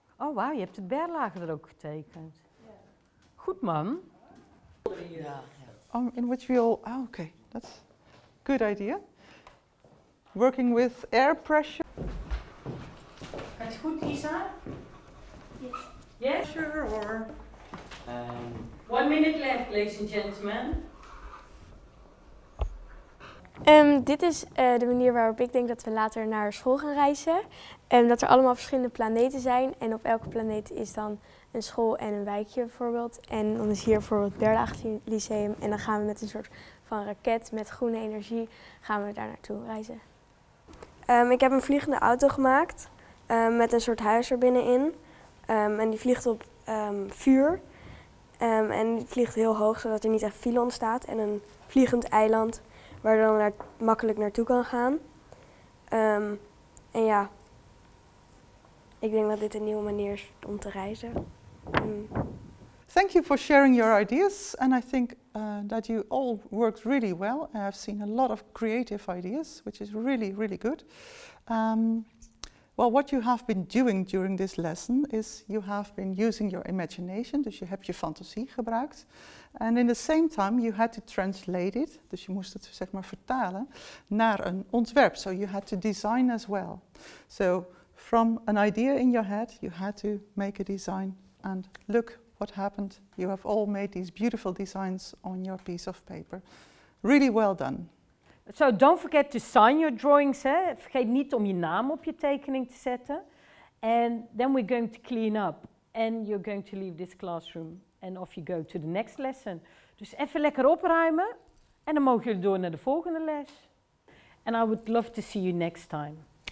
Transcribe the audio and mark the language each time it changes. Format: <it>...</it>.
<nl>Oh, wow, je hebt het Berlage er ook getekend. Goed, man.</nl> <en>Yeah. In which we all, oh, okay, that's a good idea. Working with air pressure.</en> <nl>Gaat het goed, Isa?</nl> <en>Yes. Yes? Sure. Or 1 minute left, ladies and gentlemen.</en> <nl>Dit is de manier waarop ik denk dat we later naar school gaan reizen. Dat er allemaal verschillende planeten zijn. En op elke planeet is dan een school en een wijkje bijvoorbeeld. En dan is hier bijvoorbeeld het Berlage Lyceum. En dan gaan we met een soort van raket met groene energie gaan we daar naartoe reizen. Ik heb een vliegende auto gemaakt met een soort huis er binnenin. En die vliegt op vuur. En die vliegt heel hoog, zodat er niet echt file ontstaat. En een vliegend eiland waar je dan makkelijk naartoe kan gaan. En ja, ik denk dat dit een nieuwe manier is om te reizen.</nl> <en>Thank you for sharing your ideas. And I think that you all worked really well. I've seen a lot of creative ideas, which is really, really good. Well, what you have been doing during this lesson is you have been using your imagination,</en> <nl>dus je hebt je fantasie gebruikt.</nl> <en>And in the same time you had to translate it,</en> <nl>dus je moest het zeg maar vertalen,</nl> <en>naar een ontwerp. So you had to design as well. So from an idea in your head, you had to make a design and look what happened. You have all made these beautiful designs on your piece of paper. Really well done. So don't forget to sign your drawings, eh?</en> <nl>Vergeet niet om je naam op je tekening te zetten.</nl> <en>And then we're going to clean up and you're going to leave this classroom and off you go to the next lesson.</en> <nl>Dus even lekker opruimen en dan mogen jullie door naar de volgende les.</nl> <en>And I would love to see you next time.</en>